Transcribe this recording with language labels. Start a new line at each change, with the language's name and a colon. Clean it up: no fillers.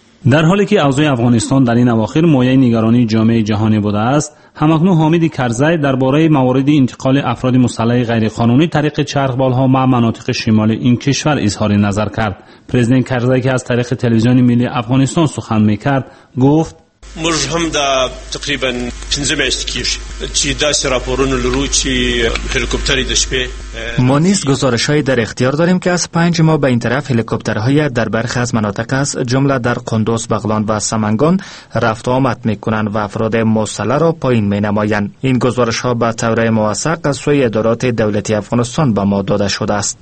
Persian: در حالی که اوضاع افغانستان در این اواخر مایه نگرانی جامعه جهانی بوده است، هم‌اکنون حامد کرزی درباره موارد انتقال افراد مسلح غیرقانونی طریق چرخبال‌ها به مناطق شمال این کشور اظهار نظر کرد. پرزیدنت کرزی که از طریق تلویزیون ملی افغانستان سخن می‌کرد، گفت:
Pashto: موږ هم دا تقریبا 15 میاشتې کېږي چې داسې راپورونه لرو چې هلیکوپترې د شپې
Persian: ما نیز گزارش های در اختیار داریم که از 5 ماه به این طرف هلیکوپترهای در برخی از مناطق است، جمله در قندوز، بغلان و سمنگان رفت و آمد می کنند و افراد مسلح را پایین می نمایند. این گزارش ها به طور موثق از سوی ادارات دولتی افغانستان به ما داده شده است.